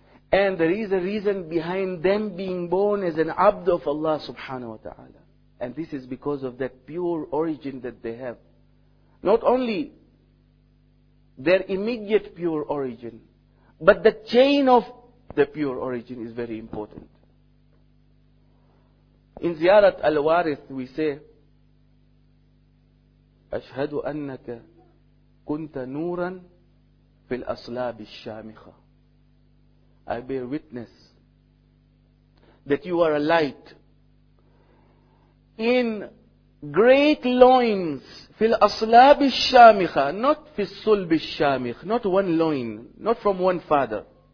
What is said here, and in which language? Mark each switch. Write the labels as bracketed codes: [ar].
[en] And there is a reason behind them being born as an abd of Allah subhanahu wa ta'ala. And this is because of that pure origin that they have. Not only their immediate pure origin, but the chain of the pure origin is very important. In Ziyarat al-Warith, we say, [ar] أشهد أنك كنت نورا في الأصلاب الشامخة. [en] I bear witness that you are a light in great loins, [ar] في الأصلاب الشامخة, [en] not [ar] في الصلب الشامخ, [en] not one loin, not from one father.